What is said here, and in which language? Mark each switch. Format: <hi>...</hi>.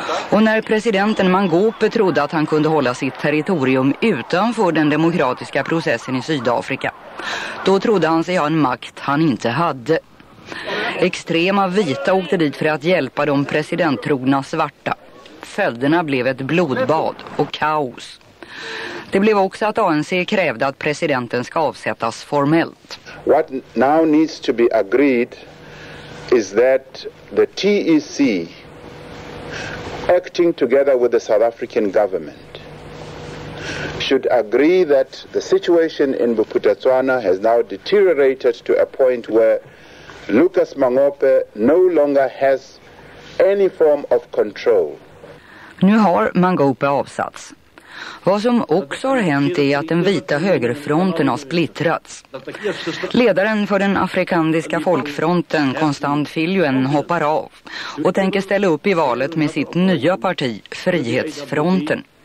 <sv>Och när presidenten Mangope trodde att han kunde hålla sitt territorium utanför den demokratiska processen i Sydafrika, då trodde han sig ha en makt han inte hade. Extrema vita åkte dit för att hjälpa de presidenttrogna svarta. Följderna blev ett blodbad och kaos. Det blev också att ANC krävde att presidenten ska avsättas formellt.</sv> <en>What now needs to be agreed is that the TEC, acting together with the South African government, should agree that the situation in Bophuthatswana has now deteriorated to a point where Lucas Mangope no longer has any form of control.</en> <sv>Nu har Mangope avsatts. Vad som också har hänt är att den vita högerfronten har splittrats. Ledaren för den afrikandiska folkfronten, Constant Filion, hoppar av och tänker ställa upp i valet med sitt nya parti, Frihetsfronten.</sv>